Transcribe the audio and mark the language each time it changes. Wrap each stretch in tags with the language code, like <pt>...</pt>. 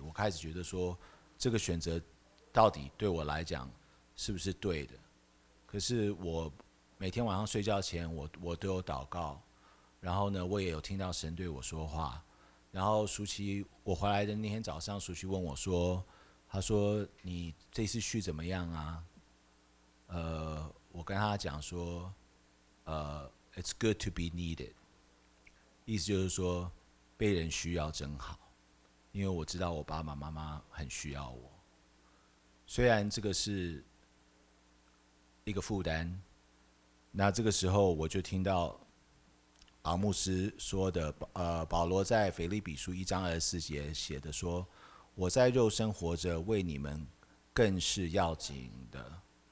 <zh>我开始觉得说，这个选择到底对我来讲是不是对的？可是我每天晚上睡觉前我都有祷告，然后呢，我也有听到神对我说话。然后淑琪，我回来的那天早上，淑琪问我说：“他说你这次去怎么样啊？” 我跟他讲说：“</zh> <en>It's good to be needed。”</en> <zh>意思就是说，被人需要真好，因为我知道我爸爸妈妈很需要我。虽然这个是一个负担，那这个时候我就听到阿牧师说的，保罗在腓立比书1:24写的说：“我在肉身活着，为你们更是要紧的。”</zh>